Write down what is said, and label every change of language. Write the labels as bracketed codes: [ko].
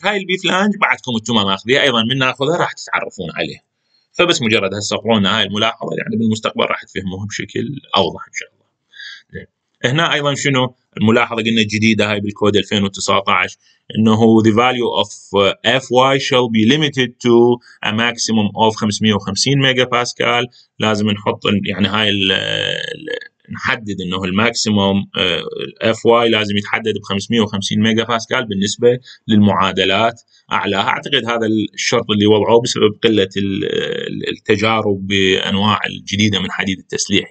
[ar] هاي البي فلانج بعدكم أنتم ما أخذها، أيضا من ناخذها راح تتعرفون عليه. فبس مجرد هالسقرونا هاي المُلاحظة، يعني بالمستقبل راح تفهموها بشكل أوضح إن شاء الله. هنا أيضا شنو الملاحظة قلنا الجديدة هاي بالكود 2019 إنه [en] the value of FY shall be limited to a maximum of 550 megapascal. [ar] لازم نحط يعني هاي نحدد إنه الماكسيموم FY لازم يتحدد ب 550 ميجا باسكال بالنسبة للمعادلات أعلاها. أعتقد هذا الشرط اللي وضعه بسبب قلة التجارب بأنواع الجديدة من حديد التسليح.